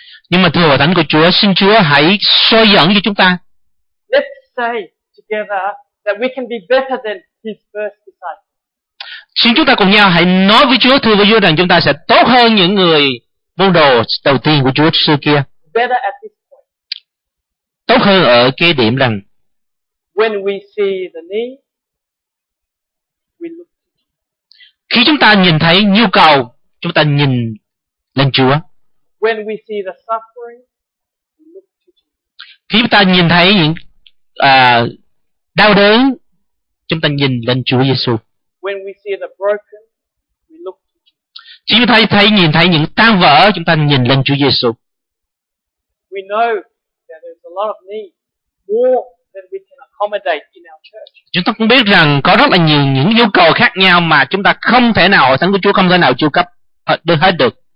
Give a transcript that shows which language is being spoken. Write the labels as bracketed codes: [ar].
[vi] Nhưng mà thưa thánh của Chúa, xin Chúa hãy soi dẫn cho chúng ta. [en] Let's say together that we can be better than his first disciples. [vi] Xin chúng ta cùng nhau hãy nói với Chúa, thưa với Chúa rằng chúng ta sẽ tốt hơn những người môn đồ đầu tiên của Chúa xưa kia. [en] Better at this point. [vi] Tốt hơn ở cái điểm rằng [en] when we see the need, we look. [vi] Khi chúng ta nhìn thấy nhu cầu, chúng ta nhìn lên Chúa. [en] When we see the suffering, we look to Jesus. [vi] Khi chúng ta nhìn thấy những đau đớn, chúng ta nhìn lên Chúa Giêsu. [en] When we see the broken, we look to Jesus. [vi] Khi chúng ta nhìn thấy những tan vỡ, chúng ta nhìn lên Chúa Giêsu. [en] We know that there's a lot of need, more than we can accommodate in our church. [vi] Chúng ta cũng biết rằng có rất là nhiều những nhu cầu khác nhau mà chúng ta không thể nào, thánh của Chúa không thể nào chu cấp hết được.